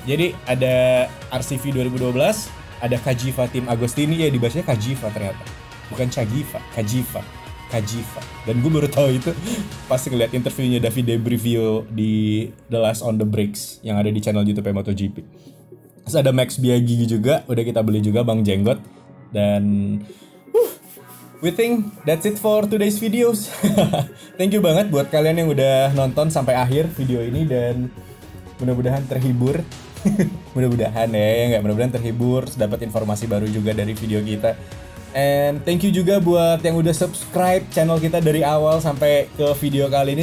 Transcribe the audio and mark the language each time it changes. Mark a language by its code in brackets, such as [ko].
[id] Jadi ada RCV 2012, ada Kajiva tim Agustini ya, dibahasnya Kajiva ternyata, bukan Cagiva, Kajiva. Dan gue baru tahu itu pas ngeliat interviewnya Davide Brivio di The Last on the Bricks yang ada di channel YouTube MotoGP. Terus ada Max Biaggi juga, udah kita beli juga Bang Jenggot. [en] Dan we think that's it for today's videos. Thank you [id] banget buat kalian yang udah nonton sampai akhir video ini dan mudah-mudahan terhibur. Mudah-mudahan ya nggak, mudah-mudahan terhibur, dapat informasi baru juga dari video kita. [en] And thank you [id] juga buat yang udah subscribe channel kita dari awal sampai ke video kali ini.